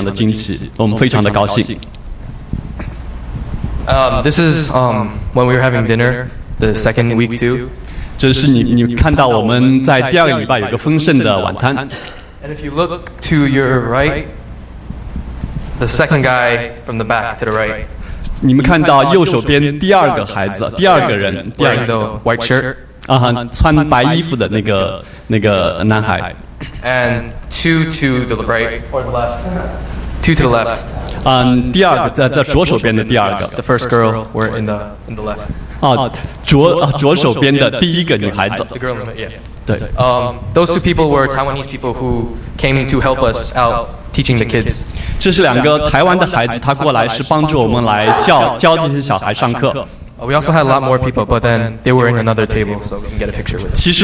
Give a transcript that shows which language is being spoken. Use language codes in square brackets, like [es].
[zh] 其实去年我们已经认识他们，所以今年我们发现他们又出现在我们这个福音营的时候，我们觉得非常的惊奇，我们非常的高兴。 [en] This is when we were having dinner, the second week too. [zh] 这是你看到我们在第二个礼拜有个丰盛的晚餐. [en] And if you look to your right, the second guy from the back to the right. [zh] 你们看到右手边第二个孩子，第二个人 [en] wearing the white shirt. [zh] 穿白衣服的那个男孩. [en] And two to the right or the left. Two to the left. [zh] 第二个在左手边的第二个 [en] the first girl were in the left. [zh] 左手边的第一个女孩子 [en] the girl in the, yeah. [zh] 对 [en] Those two people were Taiwanese people who came to help us out teaching the kids. [zh] 这是两个台湾的孩子，他过来是帮助我们来教这些小孩上课。 [en] We also had a lot more people, but then they were in another table, so we can get a picture with.